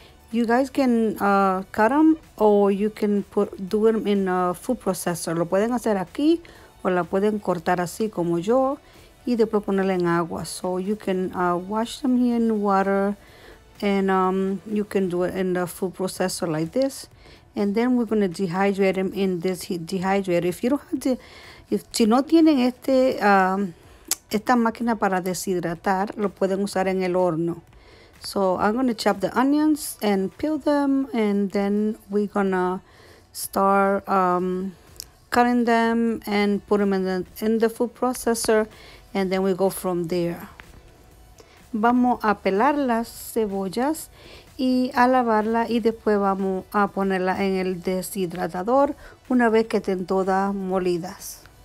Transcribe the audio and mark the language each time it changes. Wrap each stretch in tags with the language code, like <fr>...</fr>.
<en>You guys can cut them or you can do them in a food processor.</en> <es>Lo pueden hacer aquí o la pueden cortar así como yo y después ponerla en agua.</es> <en>So you can wash them here in water. And you can do it in the food processor like this. And then we're gonna dehydrate them in this heat dehydrator. If you don't have to,</en> <es>si no tienen esta máquina para deshidratar, lo pueden usar en el horno.</es> <en>So I'm gonna chop the onions and peel them. And then we're gonna start cutting them and put them in the food processor. And then we go from there.</en> <es>Vamos a pelar las cebollas y a lavarla y después vamos a ponerla en el deshidratador una vez que estén todas molidas.</es>